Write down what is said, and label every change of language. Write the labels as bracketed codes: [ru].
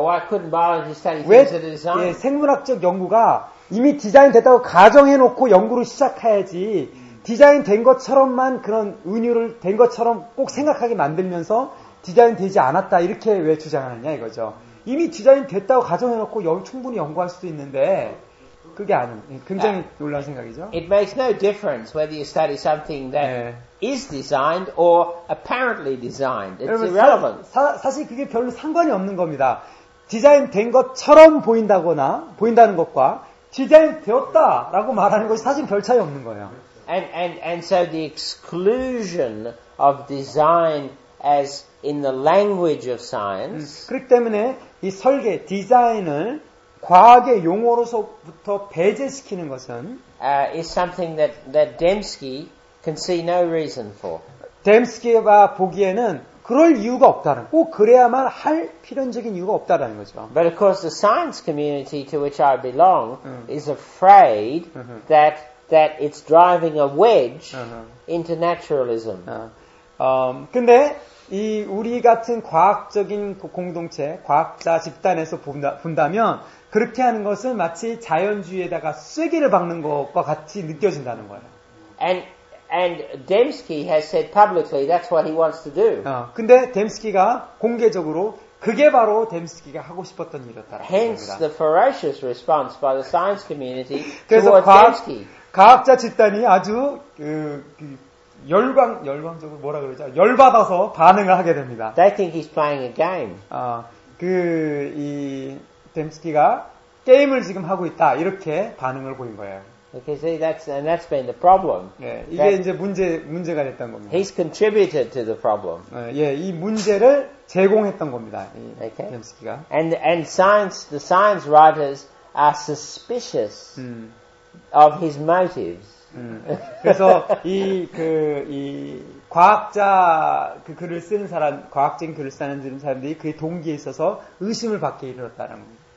[en] Why couldn't biologists study things that are designed? [ko] 생물학적 연구가 이미 디자인됐다고 가정해놓고 연구를 시작해야지 디자인된 것처럼만 그런 은유를 된 것처럼 꼭 생각하게 만들면서 디자인되지 않았다 이렇게 왜 주장하느냐 이거죠. 이미 디자인됐다고 가정해놓고 충분히 연구할 수도 있는데 그게 아닌, 굉장히 놀라운 생각이죠. [en] It makes no difference whether you study something that is designed or apparently designed. It's irrelevant. [ko] 사실 그게 별로 상관이 없는 겁니다. 디자인된 것처럼 보인다거나 보인다는 것과 디자인되었다라고 말하는 것이 사실 별 차이 없는 거예요. [en] And so the exclusion of design as in the language of science. [ko] 그렇기 때문에 이 설계 디자인을 과학의 용어로서부터 배제시키는 것은 [en] is something that Dembski can see no reason for. [ko] 뎀스키가 보기에는 그럴 이유가 없다는, 꼭 그래야만 할 필연적인 이유가 없다라는 거죠. [en] But of course the science community to which I belong is afraid that it's driving a wedge into naturalism. [ko] 근데 이 우리 같은 과학적인 공동체, 과학자 집단에서 본다면 그렇게 하는 것은 마치 자연주의에다가 쐐기를 박는 것과 같이 느껴진다는 거예요. [en] And Dembski has said publicly that's what he wants to do. [ko] 근데 뎀스키가 공개적으로 그게 바로 뎀스키가 하고 싶었던 일이었다라고 [en] Hence [ko] 합니다. [en] The ferocious response by the science community towards [ko] 그래서 [en] Dembski. [ko] 과학자 집단이 아주 그 열광적으로 뭐라 그러죠? 열받아서 반응을 하게 됩니다. [en] They think he's playing a game. [ko] 그 이 뎀스키가 게임을 지금 하고 있다 이렇게 반응을 보인 거예요. [en] Okay, see, that's been the problem. [ko] 예, 이게 이제 문제가 됐던 겁니다. [en] He's contributed to the problem. [ko] 예, 이 문제를 제공했던 겁니다. 이 okay. 뎀스키가. [en] And the science writers are suspicious of his motives. [ko] 그래서 이 과학자 그 글을 쓰는 사람, 과학적인 글을 쓰는 사람들이 그의 동기에 있어서 의심을 받게 이르렀다는 겁니다.